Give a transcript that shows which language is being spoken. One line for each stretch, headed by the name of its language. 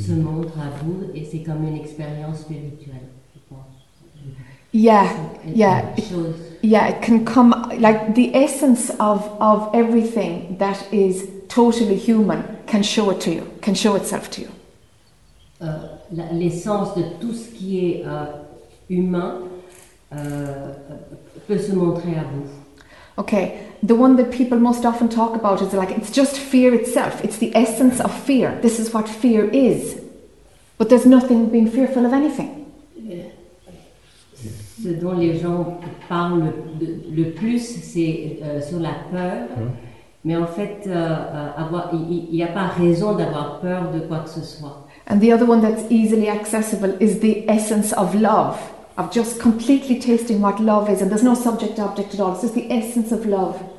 French: Se montre à vous et c'est comme une expérience spirituelle.
English: It can come like the essence of everything that is totally human can show it to you, can show itself to you.
French: l'essence de tout ce qui est humain peut se montrer à vous.
English: Okay, the one that people most often talk about is like, it's just fear itself. It's the essence of fear. This is what fear is. But there's nothing being fearful of anything.
French: Ce dont les gens parlent le plus, c'est sur la peur. Mm. Mais en fait, il n'y a pas raison d'avoir peur de quoi que ce soit.
English: And the other one that's easily accessible is the essence of love. Of just completely tasting what love is, and there's no subject object at all. It's just the essence of love.